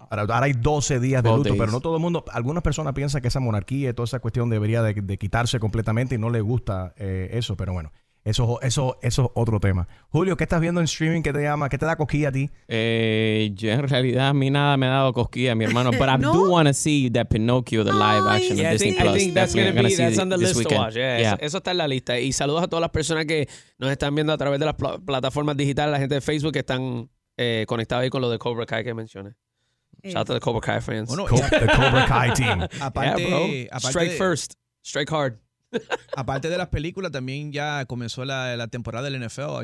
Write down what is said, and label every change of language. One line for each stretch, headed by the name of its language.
Spanish: Ahora hay 12 días de luto, pero no todo el mundo. Algunas personas piensan que esa monarquía y toda esa cuestión debería de quitarse completamente y no les gusta eso, pero bueno. Eso es otro tema. Julio, ¿qué estás viendo en streaming? ¿Qué te llama? ¿Qué te da cosquilla a ti? Yo en realidad a mí nada me ha dado cosquilla, mi hermano.
English: But I do want to see that Pinocchio, the live action of Disney Plus. I think that's going to be that's on the list weekend. To watch.
Spanish: Eso está en la lista. Y saludos a todas las personas que nos están viendo a través de las plataformas digitales, la gente de Facebook que están conectados ahí con lo de Cobra Kai que mencioné.
English: Shout out to the Cobra Kai fans. The Cobra Kai team. Strike first. Strike hard.
Spanish: Aparte de las películas, también ya comenzó la temporada del NFL.